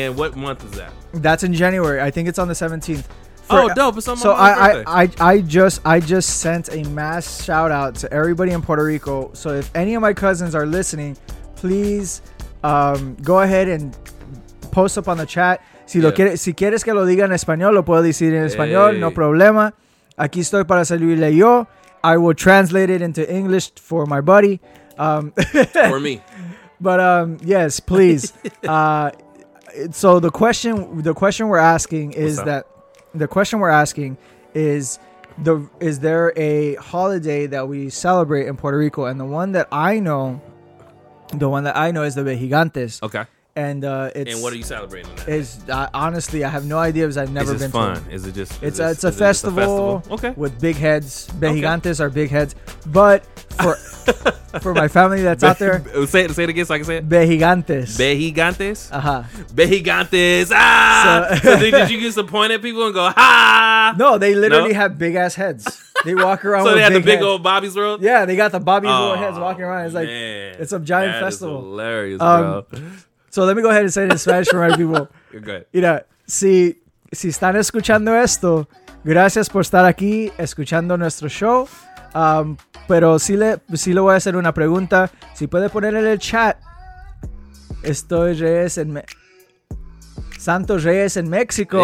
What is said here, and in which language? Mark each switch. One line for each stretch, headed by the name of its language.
English: And what month is that? That's in January. I think it's on the 17th. Dope. It's on my birthday. I just sent a mass shout out to everybody in Puerto Rico. So if any of my cousins are listening, please go ahead and post up on the chat.
Spanish: Si quieres que lo diga en español, lo puedo decir en español. No problema. Aquí estoy para servirle yo.
English: I will translate it into English for my buddy. for me. But yes, please. So the question we're asking is is there a holiday that we celebrate in Puerto Rico? And the one that I know is the Bejigantes. Okay. And it's, and what are you celebrating? Honestly, I have no idea because I've never been. Fun? To it. Is it just? It's a festival. With big heads. Bejigantes are big heads, but for for my family that's out there, say it again so I can say it. Bejigantes. Uh huh. Bejigantes. Ah. So, did you just point at people and go ha? No, they literally have big ass heads. They walk around. So with they had big the big heads. Old Bobby's World. Yeah, they got the Bobby's World heads walking around. It's a giant festival. Is hilarious, bro. So let me go ahead and say it in Spanish for my people. You're good.
Spanish: Mira, si están escuchando esto, gracias por estar aquí escuchando nuestro show. Pero sí le voy a hacer una pregunta. Si puede poner en el chat, estoy Reyes en Santos Reyes en México.